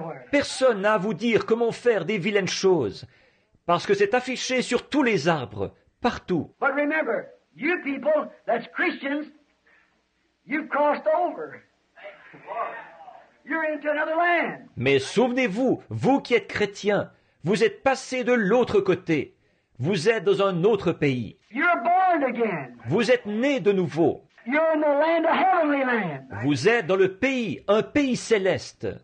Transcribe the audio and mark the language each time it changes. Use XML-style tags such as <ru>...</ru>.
<fr>Personne n'a à vous dire comment faire des vilaines choses, parce que c'est affiché sur tous les arbres, partout.</fr> <en>But remember, you people, that's Christians, you've crossed over. You're into another land.</en> <fr>Mais souvenez-vous, vous qui êtes chrétiens, vous êtes passés de l'autre côté. Vous êtes dans un autre pays.</fr> <en>You're born again.</en> <fr>Vous êtes nés de nouveau.</fr> <en>You're in the land, a heavenly land.</en> <fr>Vous êtes dans le pays, un pays céleste.</fr>